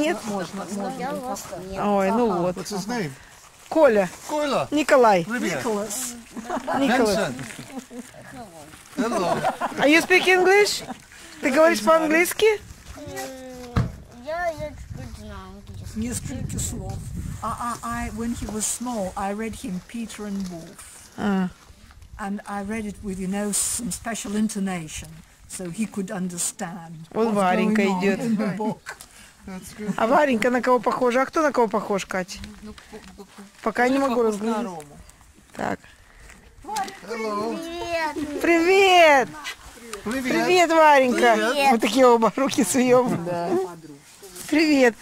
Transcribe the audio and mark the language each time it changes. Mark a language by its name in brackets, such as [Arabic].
[Russian] нет? Можно. Ой, ну вот. [English] What's his name? [Russian] Коля. Коля. Николай. Николас. Николас. [English] Hello. Are you speak English? [Russian] Ты говоришь по-английски? Нет. Не скрипки слов. [English] I, when he was small, I read him Peter and Wolf. And I read it with, you know, some special intonation. So he could understand. [Russian] Вот Варенька идет. А Варенька на кого похожа? А кто на кого похож, Катя? Пока не могу разглядеть. Так. Привет. Привет. Привет, Варенька. Мы такие оба руки суем. Привет.